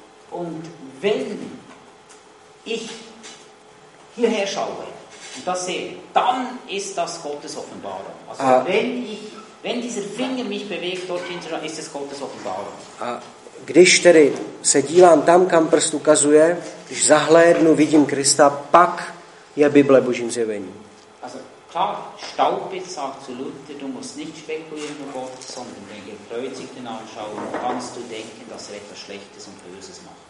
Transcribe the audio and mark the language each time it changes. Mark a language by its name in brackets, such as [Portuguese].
[German] Und wenn ich hierher schaue und das sehe, dann ist das Gottes Offenbarung. Also wenn dieser Finger mich bewegt dorthin, ist es Gottes Offenbarung. [Czech] A když tedy se dívám tam, kam prst ukazuje, když zahlédnu, vidím Krista, pak je Bible Božím zjevením. [German] Klar, Staupe sagt zu Luther, du musst nicht spekulieren über Gott, sondern den Gekreuzigten anschauen, kannst du denken, dass er etwas Schlechtes und Böses macht.